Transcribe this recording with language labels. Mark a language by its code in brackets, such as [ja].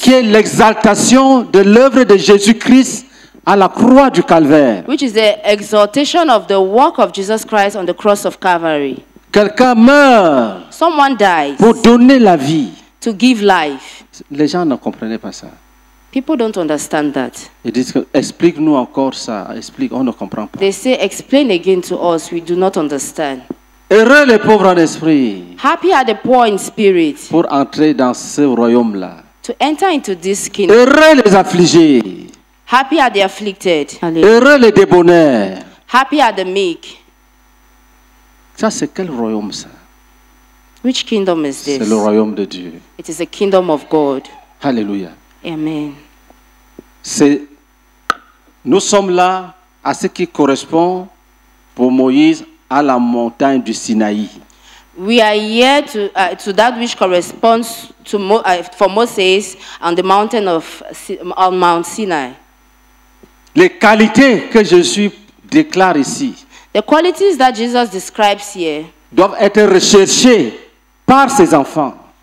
[fr] Qui est l'exaltation de l'œuvre de Jésus-Christ à la croix du calvaire. [en] Which is the exaltation of the work of Jesus Christ on the cross of Calvary. [fr] Quelqu'un meurt. [en] Someone dies. [fr] Pour donner la vie. [en] To give life. [fr] Les gens ne comprenaient pas ça. [en] People don't understand that. [fr] Ils disent, explique-nous encore ça. Explique, on ne comprend pas. [en] They say, explain again to us. We do not understand. [fr] Heureux les pauvres en esprit. [en] Happy are the poor in spirit. [fr] Pour entrer dans ce royaume-là. [en] To enter into this kingdom. [fr] Heureux les affligés. [en] Happy are the afflicted. [fr] Heureux les débonnaires. [en] Happy are the meek. [fr] Ça, c'est quel royaume ça? [en] Which kingdom is this? [fr] C'est le royaume de Dieu. [en] It is the kingdom of God. [fr] Alléluia. [en] Amen. [fr] C'est, nous sommes là à ce qui correspond pour Moïse à la montagne du Sinaï. [en] We are here to that which corresponds to for Moses on the mountain of on Mount Sinai. [fr] Les qualités que Jésus déclare ici. [en] The qualities that Jesus describes here. [fr] Doivent être recherchées par ses enfants.